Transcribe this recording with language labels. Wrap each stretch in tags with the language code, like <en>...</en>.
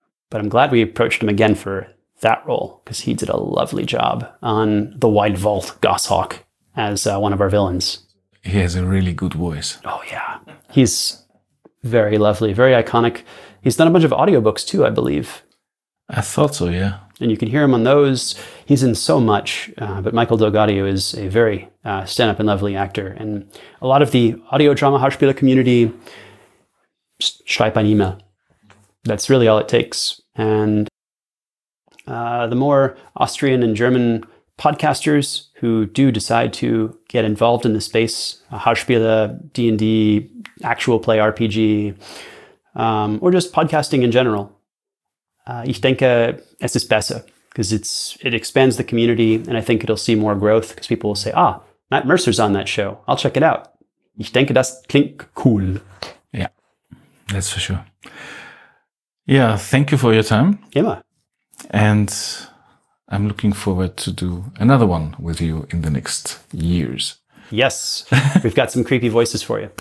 <en>But I'm glad we approached him again for that role, because he did a lovely job on The White Vault Goshawk as one of our villains. He has a really good voice. Oh, yeah. He's very lovely, very iconic. He's done a bunch of audiobooks, too, I believe. I thought so, yeah. And you can hear him on those. He's in so much. But Michael Delgadio is a very stand-up and lovely actor. And a lot of the audio drama Hörspieler community,</en> <de>schreib ein E-Mail.</de> <en>That's really all it takes. And the more Austrian and German podcasters who do decide to get involved in the space, Hörspiele, D&D, actual play RPG, or just podcasting in general,</en> <de>ich denke, es ist besser,</de> <en>because it expands the community, and I think it'll see more growth, because people will say, ah, Matt Mercer's on that show. I'll check it out.</en> <de>Ich denke, das klingt cool.</de> <en>Yeah, that's for sure. Yeah, thank you for your time.</en> <de>Immer.</de> <en>And I'm looking forward to do another one with you in the next years. Yes, we've got some creepy voices for you.</en>